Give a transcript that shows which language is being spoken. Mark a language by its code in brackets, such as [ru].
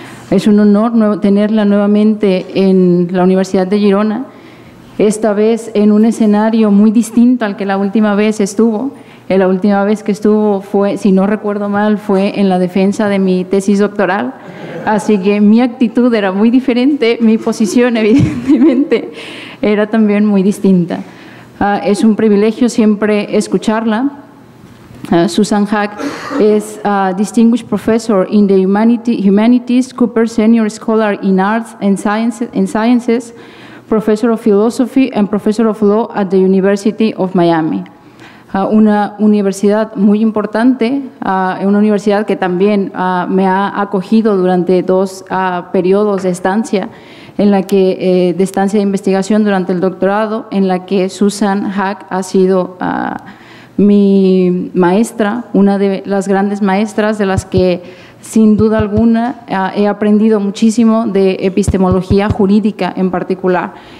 [es] Es un honor tenerla nuevamente en la Universidad de Girona, esta vez en un escenario muy distinto al que la última vez estuvo. La última vez que estuvo fue, si no recuerdo mal, fue en la defensa de mi tesis doctoral. Así que mi actitud era muy diferente, mi posición evidentemente era también muy distinta. Es un privilegio siempre escucharla. [en] Susan Haack is a distinguished professor in the humanities, Cooper Senior Scholar in Arts and Sciences, professor of philosophy and professor of law at the University of Miami. [es] Una universidad muy importante, una universidad que también me ha acogido durante dos periodos de estancia, en la que de estancia de investigación durante el doctorado, en la que Susan Haack ha sido mi maestra, una de las grandes maestras de las que sin duda alguna he aprendido muchísimo de epistemología jurídica en particular.